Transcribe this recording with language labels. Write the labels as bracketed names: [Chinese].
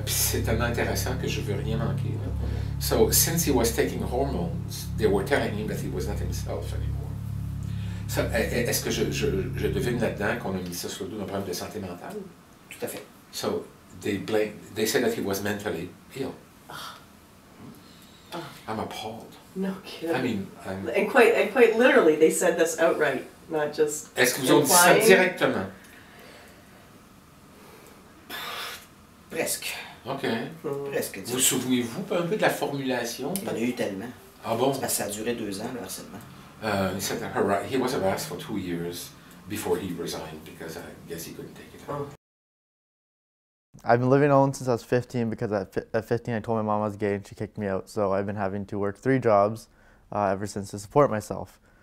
[French] C'est tellement intéressant que je veux rien manquer. Là. [English] So since he was taking hormones, they were telling him that he was not himself anymore. [French] So est-ce que je devine là-dedans qu'on a mis ça sur le dos d'un problème de santé mentale? Tout à fait. [English] So they said that he was mentally ill. I'm appalled. No kidding. I mean, and quite literally, they said this outright, not just. [French] Est-ce que vous avez dit ça directement? Presque. OK. Presque. Vous vous souvenez-vous un peu de la formulation? Il y en a eu tellement. Ah bon? Parce que ça a duré 2 ans, le harcèlement. [English] He said that he was harassed for 2 years before he resigned because I guess he couldn't take it. I've been living alone since I was 15 because at 15 I told my mom I was gay and she kicked me out. So I've been having to work 3 jobs ever since to support myself.